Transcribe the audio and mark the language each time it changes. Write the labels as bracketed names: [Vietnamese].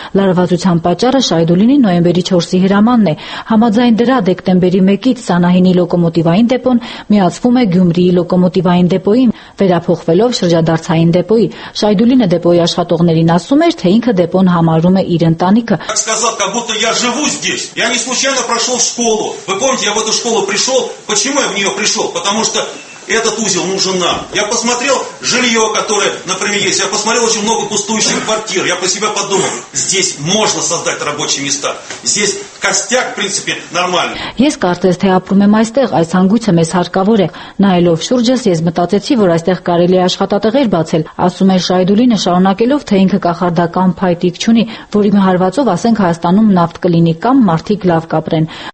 [Armenian] Լարվածության պատճառը Շայդուլինի նոյեմբերի 4-ի հրամանն է։ Համաձայն դրա, դեկտեմբերի 1-ից Սանահինի լոկոմոտիվային դեպոն միացվում է Գյումրի լոկոմոտիվային դեպոյին, վերափոխվելով շրջադարձային դեպոյի։ Շայդուլինը դեպոյի աշխատողներին ասում էր, թե ինքը դեպոն համարում է իր ընտանիքը։ [Russian] Сказал, как будто я живу здесь. Я не случайно прошёл школу. Вы помните, я в эту школу пришёл. Почему я в неё пришёл? Потому что этот узел нужен нам. Я посмотрел жильё, которое, например, есть. Я посмотрел очень много пустующих квартир. Я про себя подумал, здесь можно создать рабочие места. Здесь костяк, в принципе, нормальный. [Armenian] Ես կարծես, թե ապրում եմ այստեղ, այս հանգույցը մեզ հարկավոր է։ Նայելով շուրջս, ես մտածեցի, որ այստեղ կարելի է աշխատատեղեր բացել, ասում է Շայդուլինը, շարունակելով, թե ինքը կախարդական փայտիկ չունի, որի հարվածով, ասենք, Հայաստանում նավթ կլինի կամ մարդիկ լավ կապրեն։